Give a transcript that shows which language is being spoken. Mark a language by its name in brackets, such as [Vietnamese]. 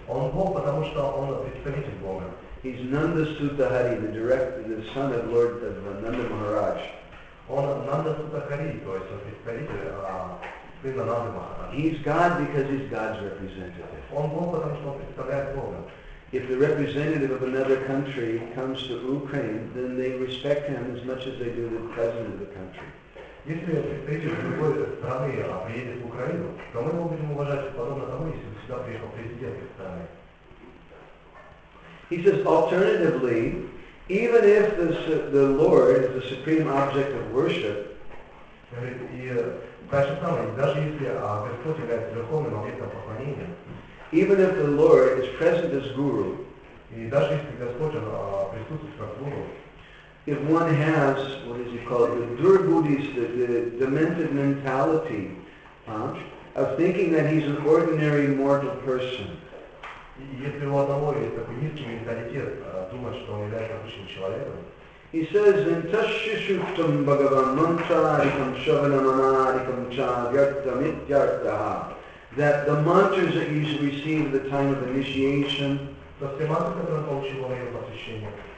[Russian] Он Бог, потому что он представитель Бога. [English] He's Nanda Sutta Hari, the direct, the son of Lord of Nanda Maharaj. [Russian] Он Nanda Sutta Hari, то есть он представитель сына Нанды Махараджа. [English] He's God because he's God's representative. [Russian] Он Бог, потому что он представляет Бога. [English] If the representative of another country comes to Ukraine, then they respect him as much as they do the president of the country. [Russian] Если представитель другой страны приедет в Украину, то мы его будем уважать подобно тому, если бы сюда приехал президент этой страны. [English] He says, alternatively, even if the Lord is the supreme object of worship, [Russian] и дальше самое, даже если Господь является верховным объектом поклонения, [English] even if the Lord is present as guru, [Russian] и даже если Господь присутствует как гуру, [English] if one has, what is it called, the durbuddhis, the demented mentality, of thinking that he's an ordinary mortal person. [Russian] Если у одного есть такой низкий менталитет, думать, что он является обычным человеком. [English] He says, in [Sanskrit] tashyashuktam bhagavan mantradikam shavanamanadikam cha vyartam ityartaha, [English] that the mantras that you receive at the time of initiation, the mantras that you receive at the time of initiation,